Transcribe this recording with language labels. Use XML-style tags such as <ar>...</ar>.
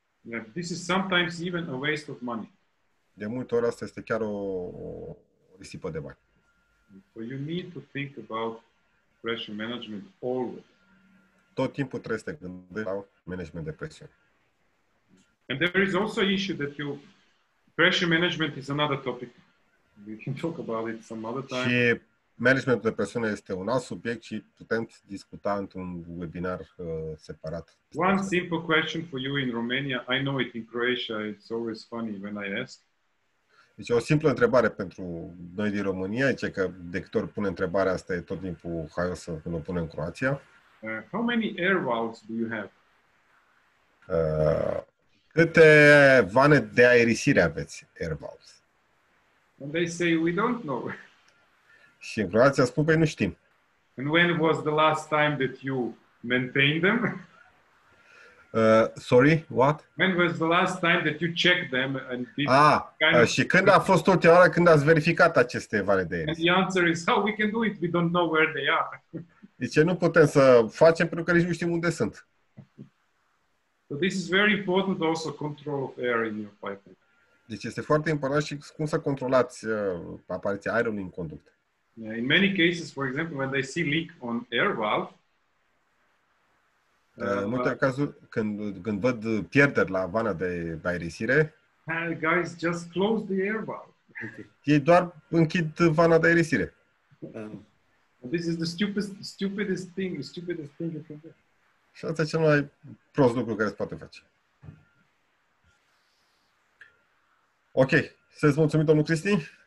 <en>Yeah, this is sometimes even a waste of money.</en> <ro>De multe ori asta este chiar o risipă de bani.</ro> <en>So you need to think about pressure management always.</en> <ro>Tot timpul trebuie să te gândești la management de presiune.</ro> <en>And there is also issue that you pressure management is another topic. We can talk about it some other time.</en> <ro>Și managementul de presiune este un alt subiect și putem discuta într-un webinar separat.</ro> <en>One simple question for you in Romania. I know it in Croatia. It's always funny when I ask.</en> <ro>Deci o simplă întrebare pentru noi din România, zice că de câte ori pune întrebarea asta e tot timpul haios când o pune în Croația.</ro> <en>How many air valves do you have?</en> <ro>Câte vane de aerisire aveți, air valves?</ro> <en>And they say we don't know.</en> <ro>Și în Croația spun că nu știm.</ro> <en>And when was the last time that you maintained them? Sorry, what? When was the last time that you checked them and did</en> <ro>și când a fost ultima oară când ați verificat aceste vale de aerisire?</ro> <en>And the answer is, how we can do it? We don't know where they are.</en> <ro>Deci nu putem să facem pentru că nici nu știm unde sunt.</ro> <en>So this is very important also, control of air in your pipeline.</en> <ro>Deci este foarte important și cum să controlați apariția aerului în conduct.</ro> <en>Yeah, in many cases, for example, when they see leak on air valve,</en> <ro>în multe cazuri, când văd pierderi la vana de aerisire,</ro> <en>guys, just close the air valve.</en> <ro>Ei doar închid vana de aerisire.</ro> <en>This is the stupidest thing you can do.</en> <ro>Și asta e cel mai prost lucru care se poate face. Ok, să-ți mulțumim, domnul Cristi.</ro>